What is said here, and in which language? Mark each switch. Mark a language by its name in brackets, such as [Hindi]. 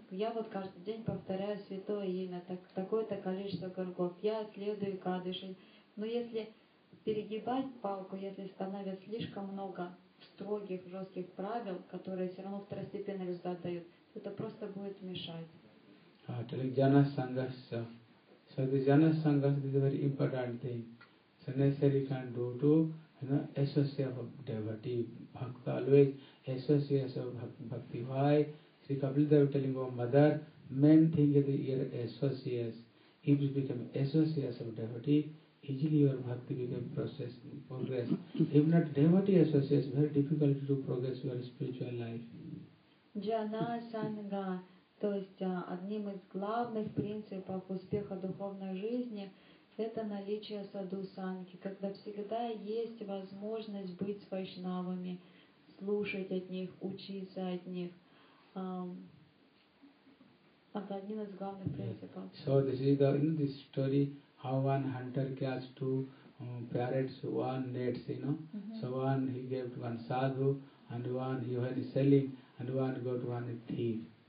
[Russian] Я вот каждый день повторяю святое имя, так, такое-то количество кругов. Я следую кадыши. Но если перегибать палку, если становится слишком много строгих, жестких правил, которые все равно второстепенный результат дают, то это просто будет мешать. [English] Jana Sangha. So the Jana Sangha is a very important thing. So necessary you can do to associate of devotee. Bhakta always associates of bhakti. Why? Sri Kapiladeva telling our mother, main thing is your associates. If you become associates of devotee, easily your bhakti become process progress. If not devotee associates, very difficult to progress your spiritual life. Jana Sangha. [Russian] То есть одним из главных принципов успеха духовной жизни – это наличие садху-санги, когда всегда есть возможность быть с вайшнавами, слушать от них, учиться от них. Это один из главных принципов. [English] So this is the, you know, this story how one hunter catch two parrots, one nets, you know. So one he gave to one sadhu, and one he was selling, and one got one thief.